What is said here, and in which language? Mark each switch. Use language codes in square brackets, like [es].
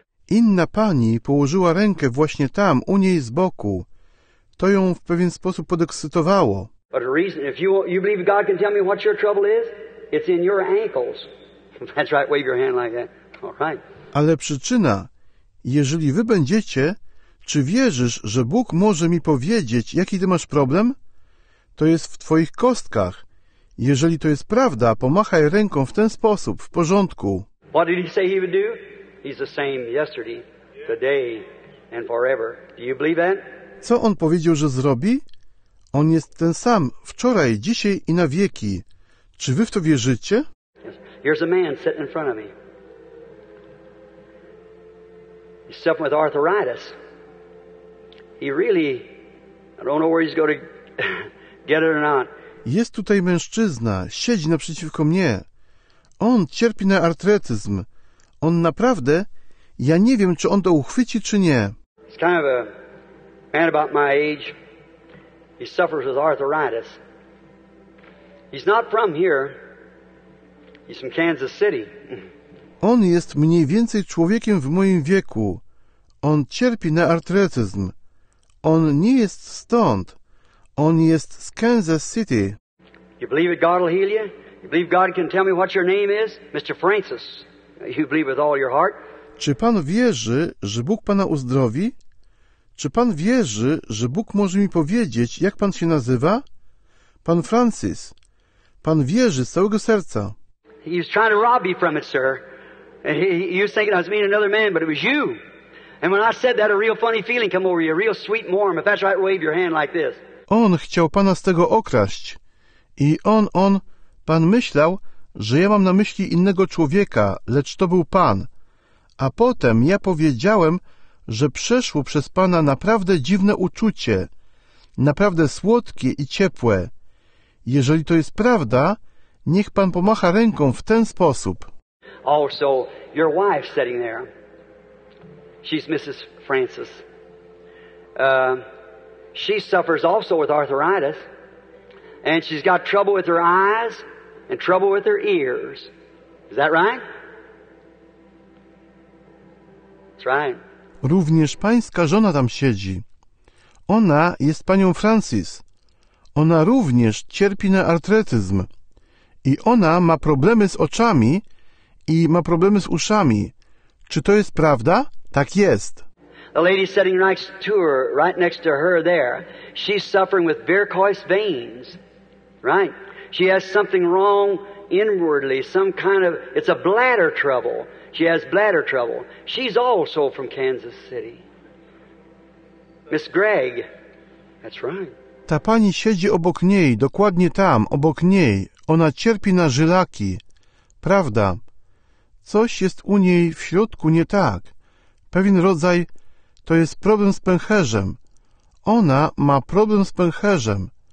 [pl] Inna pani położyła rękę właśnie tam, u niej z boku. To ją w pewien sposób podekscytowało. [en] But the reason, if you believe God can tell me what your trouble is, it's in your ankles. That's right, wave your hand like that. [pl] Ale przyczyna, jeżeli wy będziecie, czy wierzysz, że Bóg może mi powiedzieć, jaki ty masz problem? To jest w twoich kostkach. Jeżeli to jest prawda, pomachaj ręką w ten sposób, w porządku. [en] What did he say he would do? He's the same yesterday, today and forever. Do you believe that? [pl] Co on powiedział, że zrobi? On jest ten sam, wczoraj, dzisiaj i na wieki. Czy wy w to wierzycie? [en] Yes. Here's a man sitting in front of me. He's suffering with arthritis. He really, I don't know where he's going to get it or not. [pl] Jest tutaj mężczyzna, siedzi naprzeciwko mnie. On cierpi na artretyzm. On naprawdę, ja nie wiem, czy on to uchwyci, czy nie. [en] He's kind of a man about my age. He suffers with arthritis. He's not from here. He's from Kansas City. [pl] On jest mniej więcej człowiekiem w moim wieku. On cierpi na artretyzm. On nie jest stąd. On jest z Kansas City. [en] You believe that God will heal you? You believe God can tell me what your name is? Mr. Francis. You believe with all your heart? [pl] Czy pan wierzy, że Bóg pana uzdrowi? Czy pan wierzy, że Bóg może mi powiedzieć, jak pan się nazywa? Pan Francis. Pan wierzy z całego serca. [en] He's trying to rob you from it, sir. You think I was meeting another man, but it was you. And when I said that, a real funny feeling came over you, a real sweet and warm. If that's right, wave your hand like this. [pl] On chciał pana z tego okraść. I on, pan myślał, że ja mam na myśli innego człowieka, lecz to był pan. A potem ja powiedziałem, że przeszło przez Pana naprawdę dziwne uczucie, naprawdę słodkie i ciepłe. Jeżeli to jest prawda, niech Pan pomacha ręką w ten sposób. [en] Oh, so your wife sitting there. She's Mrs. Francis. She suffers also with arthritis. And she's got trouble with her eyes and trouble with her ears. Is that right? That's right. [pl] Również pańska żona tam siedzi. Ona jest panią Francis. Ona również cierpi na artretyzm. I ona ma problemy z oczami i ma problemy z uszami. Czy to jest prawda? Tak jest. [en] The lady sitting next to her, right next to her there, she's suffering with varicose veins. Right? She has something wrong inwardly, some kind of, it's a bladder trouble. She has bladder trouble. She's also from Kansas City. Miss Gregg. That's right. [pl] Ta pani siedzi obok niej, dokładnie tam, obok niej. Ona cierpi na żylaki. Prawda. Coś jest u niej w środku nie tak. Pewien rodzaj, to jest problem z pęcherzem. Ona ma problem z pęcherzem.